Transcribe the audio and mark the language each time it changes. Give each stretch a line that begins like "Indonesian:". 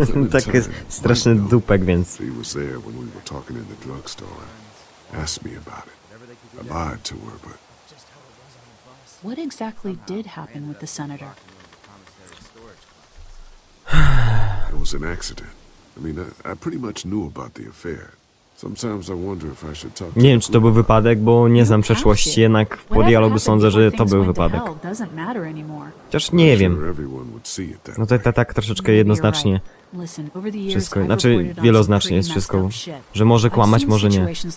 Polish: Tak jest straszny dupek, więc...
English: He was there when we were talking in the drugstore. Asked me about it. I lied to her, but... What exactly did happen with the senator? It was an accident. I mean, I pretty much knew about the affair. Sometimes I wonder if I should talk.
Polish: Nie wiem, czy to był wypadek, bo nie znam przeszłości. Jednak po dialogu sądzę, że to był wypadek. Chociaż nie wiem. No to tak troszeczkę jednoznacznie. Wszystko, znaczy wieloznacznie jest wszystko, że może kłamać, może nie.